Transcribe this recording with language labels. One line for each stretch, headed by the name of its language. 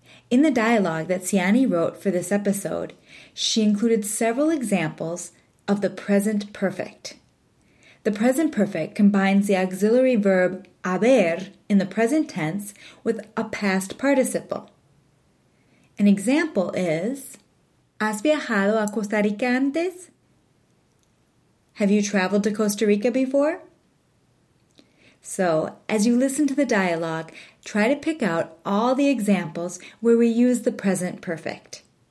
English: In the dialogue that Ciani wrote for this episode, she included several examples of the present perfect. The present perfect combines the auxiliary verb haber in the present tense with a past participle. An example is,
Spanish: ¿Has viajado a Costa Rica antes?
English: Have you traveled to Costa Rica before? So, as you listen to the dialogue, try to pick out all the examples where we use the present perfect.